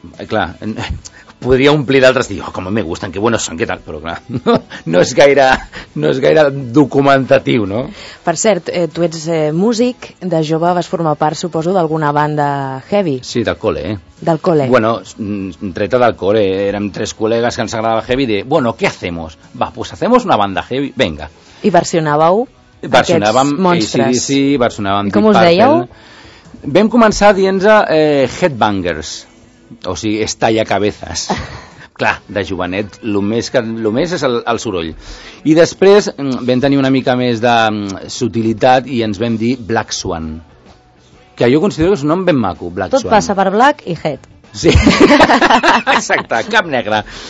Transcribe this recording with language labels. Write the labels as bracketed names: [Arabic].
[Catalan] Clar, podria omplir d'altres, dir, oh, com me gusten, [Spanish] que buenos son, [Catalan] que tal, però clar, no és gaire documentatiu, no? Per cert, tu ets músic, de jove vas formar part, suposo, d'alguna banda heavy. Sí, del cole, eh? Del cole. Bueno, treta del cole, érem tres col·legues que ens agradava heavy, de, bueno, [Spanish] què hacemos? Va, pues hacemos una banda heavy, venga. [Catalan] I versionàveu versionàvem aquests monstres. Sí, versionàvem com us Parcel. Dèieu? Vam començar dient-nos Headbangers. O sigui, [Spanish] estalla cabezas. [Catalan] Clar, de jovenet, el més és el soroll. I després vam tenir una mica més de subtilitat i ens vam dir Black Swan. Que jo considero que és un nom ben maco, Black Swan. Tot passa per Black i Head. Sí, exacte, cap negre.